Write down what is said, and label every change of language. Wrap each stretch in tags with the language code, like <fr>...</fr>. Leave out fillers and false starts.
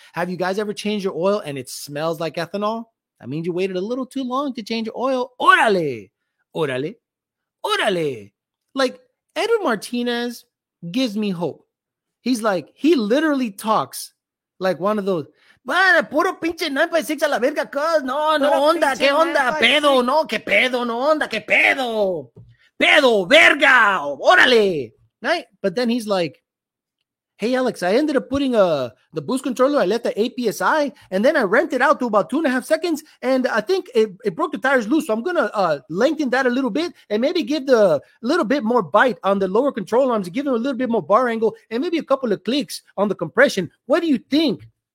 <en>Have you guys ever changed your oil and it smells like ethanol? That means you waited a little too long to change your oil.</en> <es>Orale, orale, orale.</es> <en>Like Edward Martinez gives me hope. He's like, he literally talks like one of those.</en> <es>Bueno, puro pinche 956 a la verga, cuz. No, no, onda, qué onda, pedo, no, qué pedo, no, onda, qué pedo. Pedo, verga, órale.</es> <en>Right? But then he's like, hey, Alex, I ended up putting the boost controller, I let the APSI, and then I rented out to about 2.5 seconds, and I think it broke the tires loose, so I'm going to lengthen that a little bit and maybe give the little bit more bite on the lower control arms, give them a little bit more bar angle, and maybe a couple of clicks on the compression. What do you think?</en>